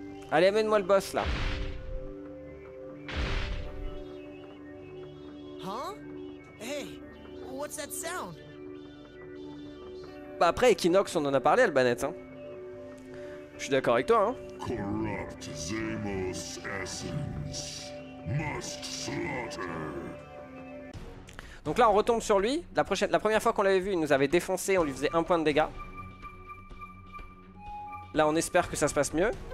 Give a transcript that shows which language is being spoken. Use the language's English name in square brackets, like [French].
[French] Allez, amène-moi le boss là. [English] Huh? Hey, what's that sound? [French] Bah après Equinox, on en a parlé, Albanet, hein. Je suis d'accord avec toi, hein. [English] Corrupt Zemos essence must slaughter. [French] Donc là, on retombe sur lui. La première fois qu'on l'avait vu, il nous avait défoncé, on lui faisait un point de dégâts. Là, on espère que ça se passe mieux.